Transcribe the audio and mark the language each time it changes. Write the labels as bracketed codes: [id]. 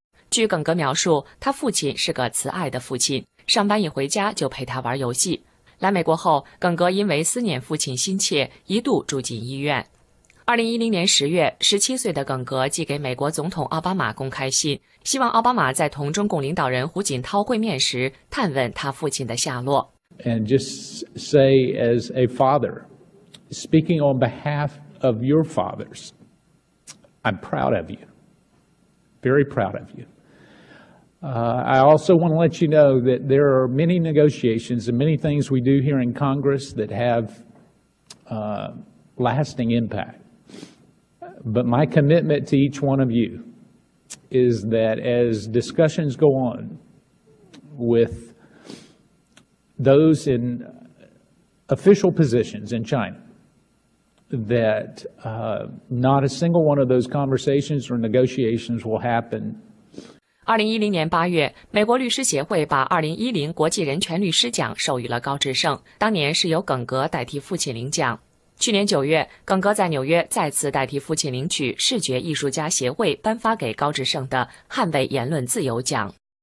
[zh] 据耿哥描述，他父亲是个慈爱的父亲，上班一回家就陪他玩游戏。来美国后，耿哥因为思念父亲心切，一度住进医院。 2010年10月，17岁的耿哥寄给美国总统奥巴马公开信，希望奥巴马在同中共领导人胡锦涛会面时探问他父亲的下落。 [en] And just say as a father, speaking on behalf of your fathers, I'm proud of you. Very proud of you. I also want to let you know that there are many negotiations and many things we do here in Congress that have lasting impact. But my commitment to each one of you is that as discussions go on with those in official positions in China, that not a single one of those conversations or negotiations will happen. [zh] 2010年8月，美国律师协会把2010国际人权律师奖授予了高志胜，当年是由耿格代替父亲领奖。去年9月，耿格在纽约再次代替父亲领取视觉艺术家协会颁发给高志胜的捍卫言论自由奖。